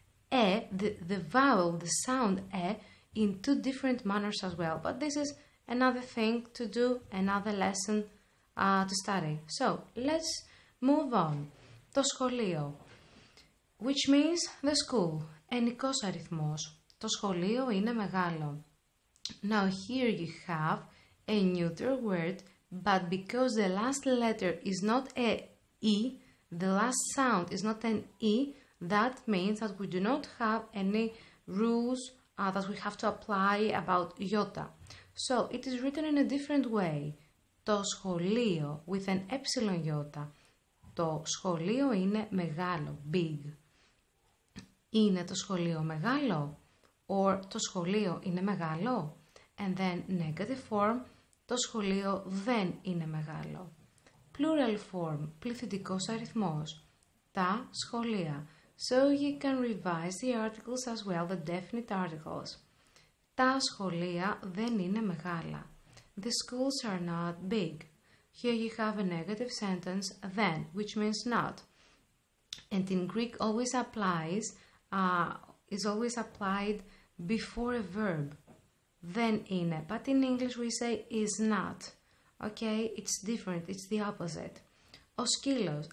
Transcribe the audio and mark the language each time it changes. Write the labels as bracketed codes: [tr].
[en] e, the vowel, the sound e, in two different manners as well. But this is another thing to do, another lesson to study. So, let's move on. [el] Το σχολείο, [en] which means the school. [el] Ενικός αριθμός. Το σχολείο είναι μεγάλο. [en] Now, here you have a neuter word, but because the last letter is not a e, the last sound is not an e, that means that we do not have any rules that we have to apply about iota. So, it is written in a different way. [el] Το σχολείο, [en] with an epsilon iota. [el] Το σχολείο είναι μεγάλο, big. Είναι το σχολείο μεγάλο? Or, το σχολείο είναι μεγάλο? [en] And then, negative form, [el] το σχολείο δεν είναι μεγάλο. [en] Plural form, [el] πληθυντικός αριθμός. Τα σχολεία. [en] So, you can revise the articles as well, the definite articles. [el] Τα σχολεία δεν είναι μεγάλα. [en] The schools are not big. Here you have a negative sentence, then, which means not. And in Greek, always applies, is always applied before a verb. [el] Δεν είναι. [en] But in English we say is not. Okay, it's different, it's the opposite. [el] Ο σκύλος.